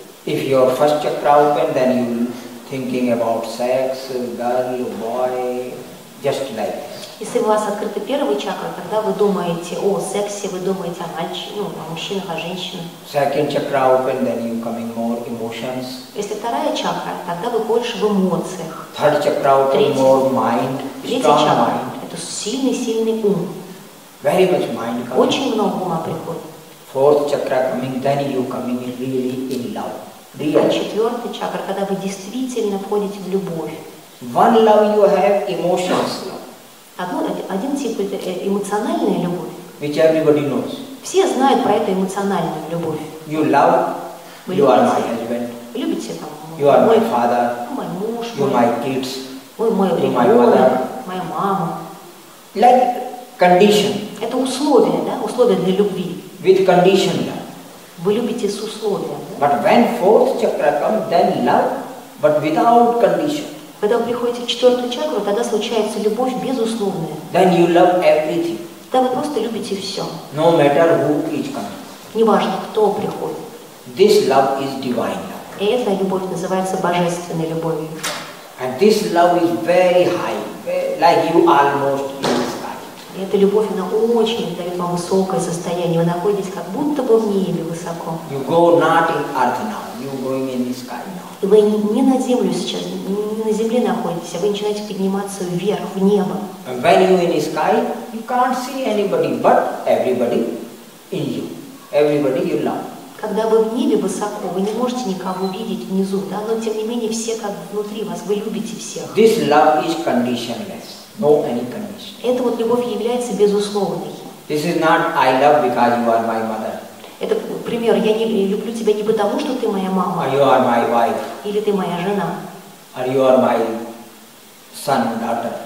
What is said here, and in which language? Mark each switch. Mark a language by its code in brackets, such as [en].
[en] If your first chakra open, then you thinking about sex, girl, boy, just like. [ru] Если у вас открыта первая чакра, тогда вы думаете о сексе, вы думаете о мужчинах, о женщинах. [en] Second chakra open, then you coming more emotions. [ru] Если вторая чакра, тогда вы больше в эмоциях. [en] Third chakra open, [ru] третья, [en] more mind, strong [ru] чакра, [en] mind. [ru] Это сильный ум. [en] Very much mind coming. [ru] Очень много ума приходит. [en] Fourth chakra coming, then you coming really in love. Real. [ru] Четвертая чакра, когда вы действительно входите в любовь. [en] One love you have emotions. [ru] Один тип – это эмоциональная любовь. [en] Which everybody knows. [ru] Все знают про эту эмоциональную любовь. [en] You love, [ru] вы [en] you [ru] любите. [en] Are my husband. [ru] Вы любите там. [en] You are my father. [ru] Мой муж. [en] You [ru] мой, [en] my kids. [ru] Вы мой ребенок. Моя мама. [en] Like condition. [ru] Это условие, да? Условие для любви. [en] With condition, [ru] да. Вы любите с условием. Да? [en] But when fourth chakra comes, then love, but without condition. [ru] Когда вы приходите в четвертую чакру, тогда случается любовь безусловная. [en] Then you love everything. [ru] Тогда вы просто любите все. [en] No matter who each comes. [ru] Неважно, кто приходит. [en] This love is divine love. [ru] И эта любовь называется божественной любовью. [en] And this love is very high, like you almost in the sky. [ru] И эта любовь, она очень дает вам высокое состояние. Вы находитесь как будто бы в небе высоко. [en] You go not in earth now, you going in the sky now. [ru] Вы не на землю сейчас, не на земле находитесь, а вы начинаете подниматься вверх, в небо. [en] When you in the sky, you can't see anybody, but everybody in you. Everybody you love. [ru] Когда вы в небе высоко, вы не можете никого увидеть внизу, да, но тем не менее все как внутри вас, вы любите всех. [en] This love is conditionless, no any condition. [ru] Эта вот любовь является безусловной. [en] This is not I love because you are my mother. [ru] Это пример. Я не люблю тебя не потому, что ты моя мама. [en] You are my wife. [ru] Или ты моя жена. [en] Or you are my son, daughter.